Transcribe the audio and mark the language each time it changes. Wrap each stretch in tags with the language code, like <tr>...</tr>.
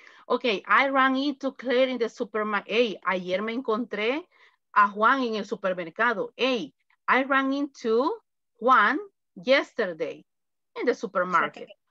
<en>Ok, I ran into Claire in the supermarket.</en> <es>Hey, ayer me encontré a Juan en el supermercado.</es> <en>Hey, I ran into Juan yesterday in the supermarket.</en>